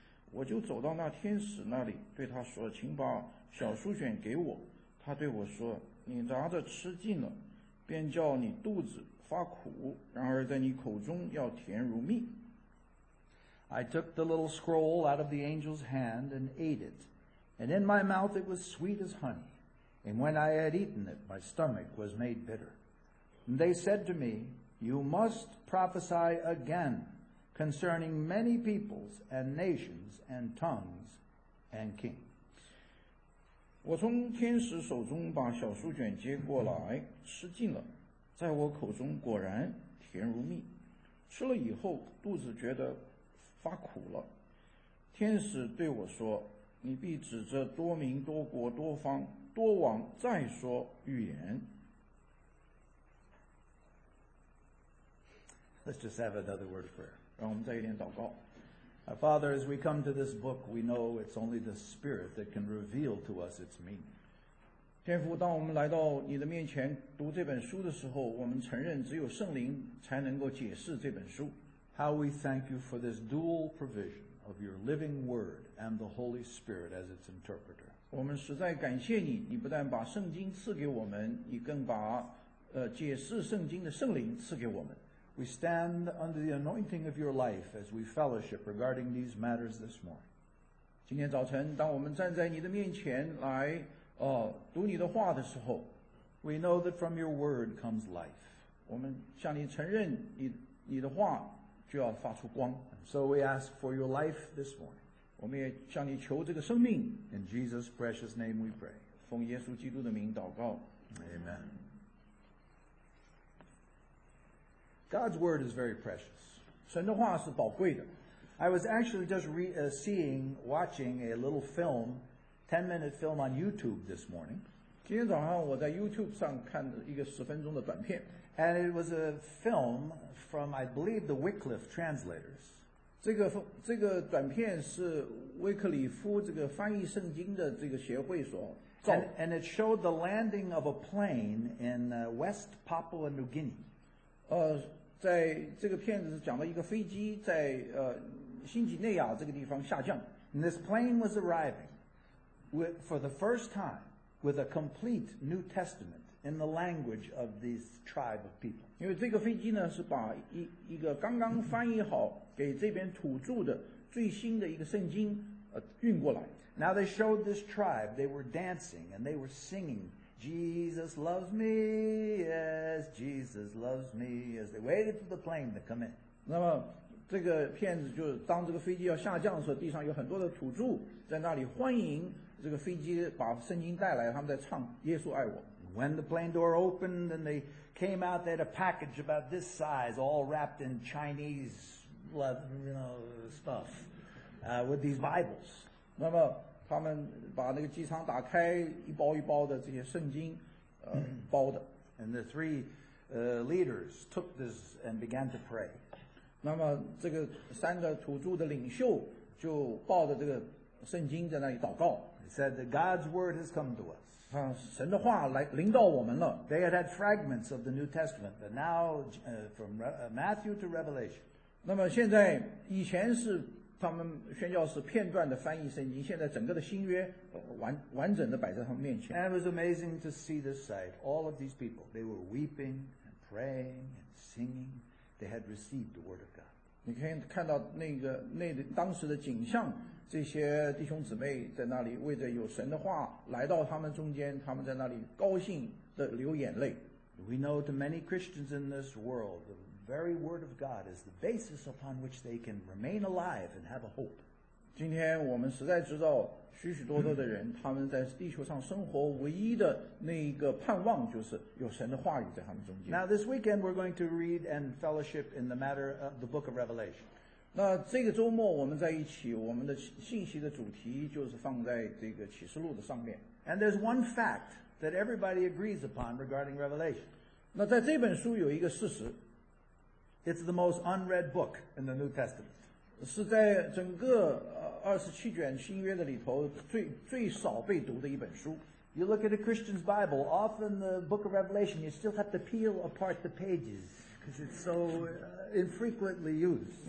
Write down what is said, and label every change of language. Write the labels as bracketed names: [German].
[Chinese] 我就走到那天使那里，对他说：“请把小书卷给我。” 他对我说：“你拿着吃尽了，便叫你肚子发苦，然而在你口中要甜如蜜。” [English] I took the little scroll out of the angel's hand and ate it, and in my mouth it was sweet as honey, and when I had eaten it, my stomach was made bitter. And they said to me, You must prophesy again concerning many peoples and nations and tongues and kings. [Chinese] 我从天使手中把小书卷接过来吃尽了，在我口中果然甜如蜜，吃了以后肚子觉得发苦了。天使对我说，你必指着多民多国多方多王再说预言。 [English] Let's just have another word of prayer. [Chinese] 让我们再一点祷告。 [English] Our Father, as we come to this book, we know it's only the Spirit that can reveal to us its meaning. [Chinese] 天父，当我们来到你的面前读这本书的时候，我们承认只有圣灵才能够解释这本书。 [English] How we thank you for this dual provision of your living word and the Holy Spirit as its interpreter. [Chinese] 我们实在感谢你，你不但把圣经赐给我们，你更把解释圣经的圣灵赐给我们。 [English] We stand under the anointing of your life as we fellowship regarding these matters this morning. [Chinese] 今天早晨当我们站在你的面前来读你的话的时候 [English] We know that from your word comes life. [Chinese] 我们向你承认你的话就要发出光 [English] And so we ask for your life this morning. [Chinese] 我们也向你求这个生命 [English] In Jesus' precious name we pray. [Chinese] 奉耶稣基督的名祷告 [English] Amen. God's word is very precious. [Chinese] 神的话是宝贵的。 [English] I was actually just watching a little film, 10-minute film on YouTube this morning. [Chinese] 今天早上我在 YouTube 上看一个十分钟的短片。 [English] And it was a film from, I believe, the Wycliffe translators. [Chinese] 这个短片是威克里夫这个翻译圣经的这个协会所造。 [English] And it showed the landing of a plane in West Papua New Guinea. [Chinese] 在这个片子是讲了一个飞机在新几内亚这个地方下降。 [English] And this plane was arriving for the first time with a complete New Testament in the language of this tribe of people. [Chinese] 因为这个飞机呢是把一个刚刚翻译好给这边土著的最新的一个圣经运过来。 [English] Now they showed this tribe, they were dancing and they were singing. Jesus loves me, yes, Jesus loves me, as they waited for the plane to come in. [Chinese] 那么这个片子就是当这个飞机要下降的时候，地上有很多的土著在那里欢迎这个飞机把圣经带来，他们在唱耶稣爱我。 [English] When the plane door opened and they came out, they had a package about this size, all wrapped in Chinese stuff, with these Bibles. [Chinese] 那么他们把那个机舱打开，一包一包的这些圣经，包的。 [English] And the three leaders took this and began to pray. [Chinese] 那么这个三个土著的领袖就抱着这个圣经在那里祷告。 [English] He said that God's word has come to us. [Chinese] 啊，神的话来临到我们了。 [English] They had had fragments of the New Testament, but now, from Matthew to Revelation. [Chinese] 那么现在以前是他们宣教士片段的翻译圣经，现在整个的新约完整的摆在他们面前。 [English] And it was amazing to see this sight. All of these people, they were weeping and praying and singing. They had received the word of God. [Chinese] 你可以看到那当时的景象，这些弟兄姊妹在那里为着有神的话来到他们中间，他们在那里高兴的流眼泪。 [English] We know to many Christians in this world, the very word of God is the basis upon which they can remain alive and have a hope. [Chinese] 今天我们实在知道许许多多的人他们在地球上生活唯一的那一个盼望就是有神的话语在他们中间。 [English] Now this weekend we're going to read and fellowship in the matter of the book of Revelation. [Chinese] 那这个周末我们在一起，我们的信息的主题就是放在这个启示录的上面。 [English] And there's one fact that everybody agrees upon regarding Revelation. [Chinese] 那在这本书有一个事实。 [English] It's the most unread book in the New Testament. [Chinese] 是在整个27卷新约的里头最少被读的一本书。 [English] You look at a Christian's Bible, often the book of Revelation, you still have to peel apart the pages because it's so infrequently used.